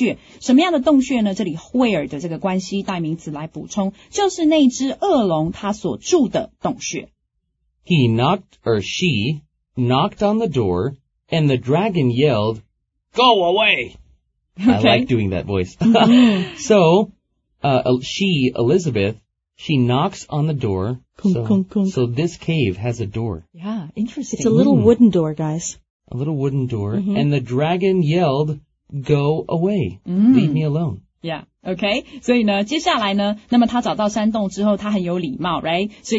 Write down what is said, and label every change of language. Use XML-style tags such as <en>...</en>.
<zh>所以接下来呢，她穿上了这个纸袋之后呢，这位伊丽莎白公主呢，她就走入了这个山里面，并且呢，她找到了这个cave，就是我们讲的洞穴。什么样的洞穴呢？这里 where 的这个关系代名词来补充，就是那只恶龙它所住的洞穴。He</zh> <en>knocked or she knocked on the door, and the dragon yelled, "Go away!" Okay. I like doing that voice. So, Elizabeth, she knocks on the door. Kunk, kunk, kunk. So this cave has a door. Yeah, interesting. It's a little wooden door, guys. A little wooden door. Mm-hmm. And the dragon yelled, "Go away. Mm. Leave me alone." Yeah, okay.</en> <zh>所以呢，接下来呢，那么他找到山洞之后，他很有礼貌，right?</zh>